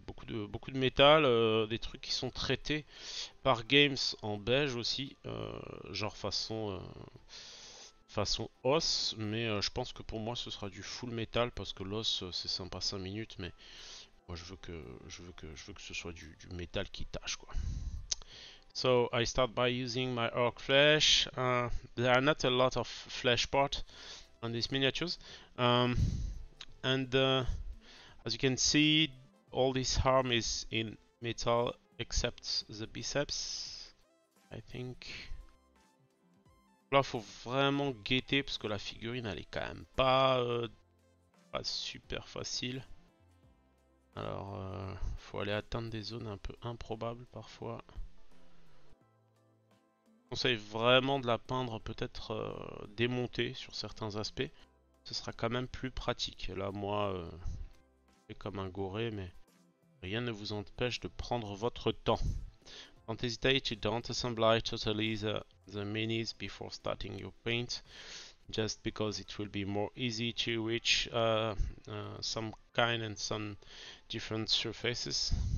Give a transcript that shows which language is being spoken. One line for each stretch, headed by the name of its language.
French: Beaucoup de métal, des trucs qui sont traités par Games en beige aussi, genre façon os, mais je pense que pour moi ce sera du full métal parce que l'os c'est sympa 5 minutes, mais moi je veux que ce soit du métal qui tâche quoi.
English: So I start by using my orc flesh. There are not a lot of flesh parts on these miniatures. As you can see, all this arm is in metal except the biceps, I think.
French: Là, faut vraiment guetter parce que la figurine, elle est quand même pas super facile. Alors, faut aller atteindre des zones un peu improbables parfois. Je conseille vraiment de la peindre peut-être démontée sur certains aspects. Ce sera quand même plus pratique. Là, moi, c'est comme un goré, mais rien ne vous empêche de prendre votre temps.
English: Don't hesitate to don't assemble totally the minis before starting your paint, just because it will be more easy to reach some kind and some different surfaces.